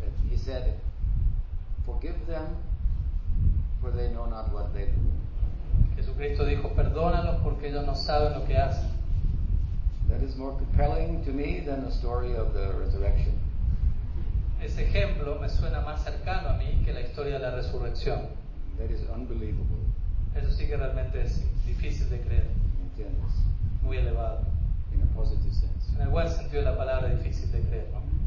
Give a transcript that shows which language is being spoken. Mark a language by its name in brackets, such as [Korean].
[English] He said, "Forgive them, for they know not what they do." [Spanish] Jesucristo dijo, "Perdónalos porque ellos no saben lo que hacen." [English] That is more compelling to me than the story of the resurrection. [Spanish] Ese ejemplo me suena más cercano a mí que la historia de la resurrección. [English] That is unbelievable. [Spanish] Eso sí que realmente es difícil de creer. ¿Entiendes? Muy elevado. [English] In a positive sense. [Spanish] En el buen sentido de la palabra, difícil de creer, ¿no?